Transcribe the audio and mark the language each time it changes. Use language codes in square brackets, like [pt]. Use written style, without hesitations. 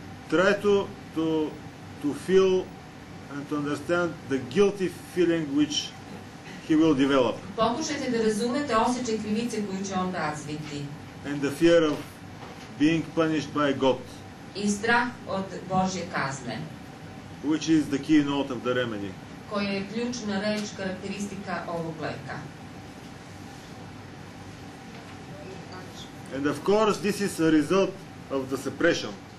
[en] Try to feel and to understand the guilty feeling which he will develop. [sr] Pokušajte da razumete osjećaj krivice koju će on razviti. [en] And the fear of being punished by God. [sr] I strah od Božje kazne. [en] Which is the key note of the remedy. [sr] Koja je ključna reč, karakteristika ovog leka. [en] And of course this is a result of the suppression.